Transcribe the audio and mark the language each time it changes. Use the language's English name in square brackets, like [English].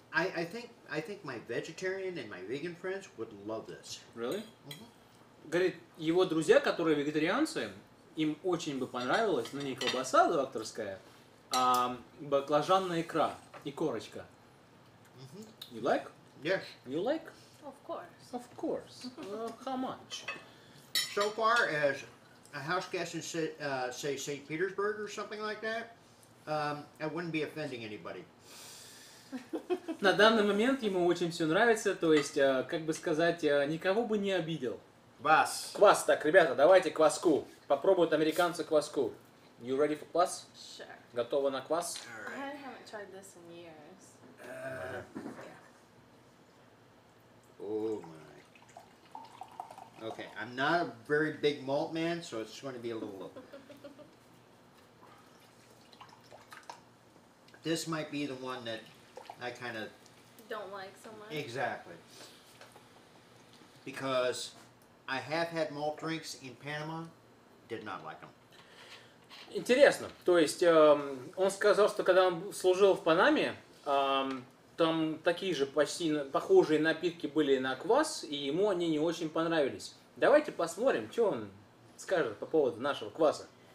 [English] I think my vegetarian and my vegan friends would love this. Really? Mm-hmm. [Russian] Говорит, его друзья, которые вегетарианцы, им очень бы понравилось, но не колбаса докторская, а баклажанная икра и корочка. Mm-hmm. [English] You like? Yes. You like? Of course. How much? So far as a house guest in say St. Petersburg or something like that, I wouldn't be offending anybody. [Russian] На данный момент ему очень все нравится, то есть, как бы сказать, никого бы не обидел. Квас. Квас, так, ребята, давайте кваску. Попробуют американцы кваску. [English] You ready for квас? Sure. [Russian] Готовы на квас? [English] All right. I haven't tried this in years. Oh my. Okay, I'm not a very big malt man, so it's going to be a little low. This might be the one that I kind of don't like so much. Exactly. Because I have had malt drinks in Panama, did not like them. [Russian] Интересно. То есть он сказал, что когда он служил в Панаме, там такие же почти похожие напитки были на квас, и ему они не очень понравились. Давайте посмотрим, что он скажет по поводу нашего кваса.